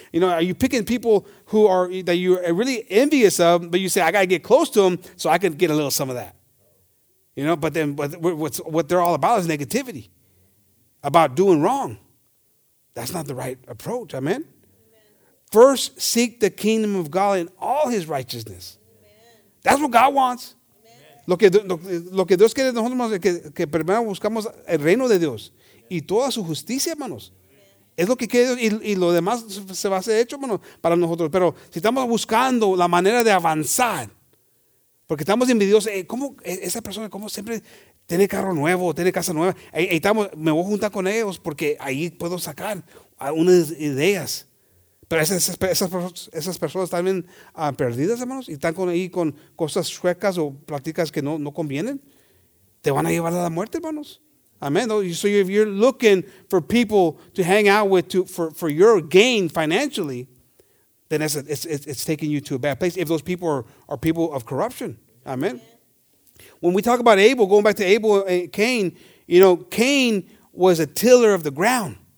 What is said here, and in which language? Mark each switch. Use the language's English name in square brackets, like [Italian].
[English] You know, are you picking people who are, that you're really envious of, but you say, I got to get close to them so I can get a little some of that. You know, but then what they're all about is negativity, about doing wrong. That's not the right approach. Amen? Amen. First, seek the kingdom of God in all his righteousness. Amen. That's what God wants. [Spanish] Lo que Dios quiere de nosotros, hermanos, es que primero buscamos el reino de Dios y toda su justicia, hermanos. Es lo que quiere Dios y lo demás se va a hacer hecho, hermanos, para nosotros. Pero si estamos buscando la manera de avanzar, porque estamos envidiosos, ¿cómo esa persona, cómo siempre tiene carro nuevo, tiene casa nueva? Estamos, me voy a juntar con ellos porque ahí puedo sacar algunas ideas. Pero esas personas también perdidas, hermanos, y están ahí con cosas chuecas o pláticas que no convienen, te van a llevar a la muerte, hermanos. Amén. [English] So if you're looking for people to hang out with for your gain financially, then it's taking you to a bad place if those people are people of corruption. Amén. When we talk about Abel, going back to Abel and Cain, you know, Cain was a tiller of the ground.